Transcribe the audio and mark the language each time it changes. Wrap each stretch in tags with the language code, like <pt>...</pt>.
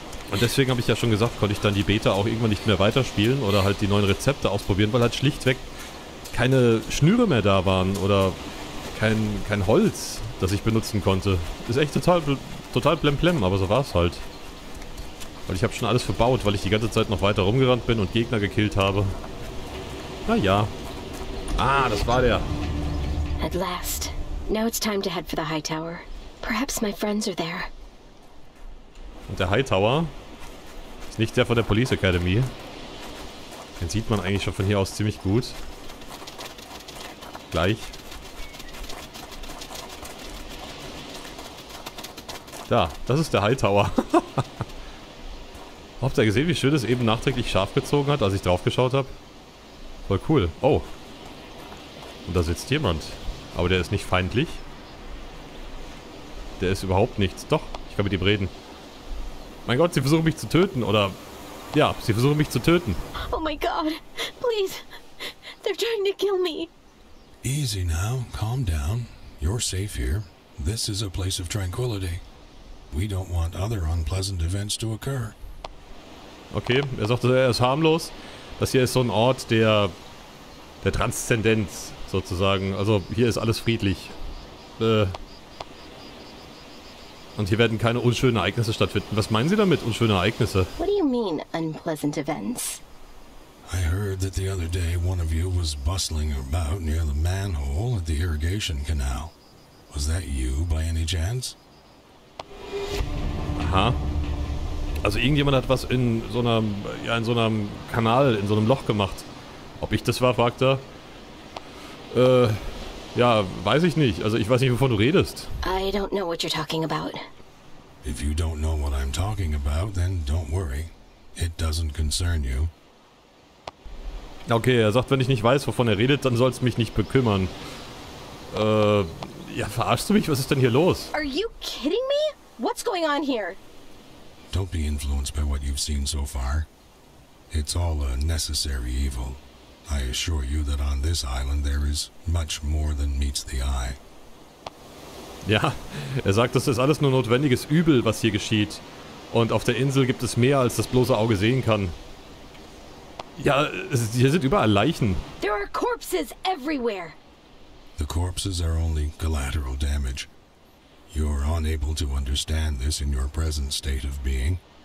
<de>Und deswegen habe ich ja schon gesagt, konnte ich dann die Beta auch irgendwann nicht mehr weiterspielen oder halt die neuen Rezepte ausprobieren, weil halt schlichtweg keine Schnüre mehr da waren oder kein Holz, das ich benutzen konnte. Ist echt total blemblem, aber so war es halt. Weil ich habe schon alles verbaut, weil ich die ganze Zeit noch weiter rumgerannt bin und Gegner gekillt habe. Naja. Ah, das war der.</de> <en>At last. Now it's time to head for the High Tower. Perhaps my friends are there.</en> <de>Und der Hightower ist nicht der von der Police Academy. Den sieht man eigentlich schon von hier aus ziemlich gut. Gleich. Da, das ist der Hightower. Habt ihr gesehen, wie schön das eben nachträglich scharf gezogen hat, als ich drauf geschaut habe? Voll cool. Oh. Und da sitzt jemand. Aber der ist nicht feindlich. Der ist überhaupt nichts. Doch, ich kann mit ihm reden. Mein Gott, sie versuchen mich zu töten, oder... Ja, sie versuchen mich zu töten. Oh mein Gott, please.</de> <en>They're trying to kill me. Easy now, calm down. You're safe here. This is a place of tranquility. We don't want other unpleasant events to occur.</en> <de>Okay, er sagt, er ist harmlos. Das hier ist so ein Ort der... der Transzendenz, sozusagen. Also, hier ist alles friedlich. Und hier werden keine unschönen Ereignisse stattfinden. Was meinen Sie damit, unschöne Ereignisse?</de> <en>What do you mean, unpleasant events? I heard that the other day one of you was bustling about near the manhole at the irrigation canal. Was that you, by any chance? Aha.</en> <de>Also irgendjemand hat was in so einem, ja, in so einem Kanal, in so einem Loch gemacht. Ob ich das war, fragt er. Ja, weiß ich nicht. Also ich weiß nicht, wovon du redest.</de> <en>I don't know what you're talking about. If you don't know what I'm talking about, then don't worry. It doesn't concern you.</en> <de>Okay, er sagt, wenn ich nicht weiß, wovon er redet, dann soll's mich nicht bekümmern. Ja, verarschst du mich? Was ist denn hier los?</de> <en>Are you kidding me? What's going on here? Don't be influenced by what you've seen so far. It's all a necessary evil. I assure you that on this island there is much more than meets the eye.</en> <de>Ja, er sagt, das ist alles nur notwendiges Übel, was hier geschieht. Und auf der Insel gibt es mehr, als das bloße Auge sehen kann. Ja, hier sind überall Leichen.</de> <en>There are corpses everywhere. The corpses are only collateral damage. You're unable to understand this in your present state of being.</en>